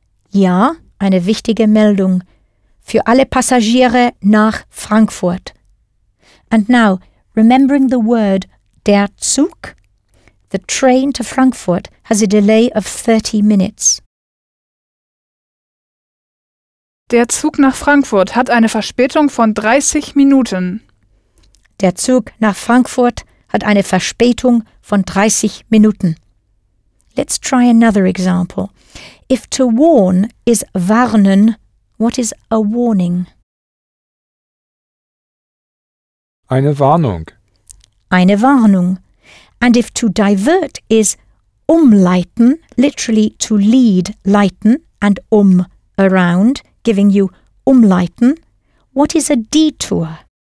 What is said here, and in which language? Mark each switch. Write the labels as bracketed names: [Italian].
[German] Ja, eine wichtige Meldung. Für alle Passagiere nach Frankfurt. [English] And now, remembering the word der Zug, the train to Frankfurt has a delay of 30 minutes. [German] Der Zug nach Frankfurt hat eine Verspätung von 30 Minuten. Der Zug nach Frankfurt hat eine Verspätung von 30 Minuten. [English] Let's try another example. If to warn is warnen, what is a warning? [German] Eine Warnung. Eine Warnung. [English] And if to divert is umleiten, literally to lead, leiten, and around, giving you umleiten, what is a detour?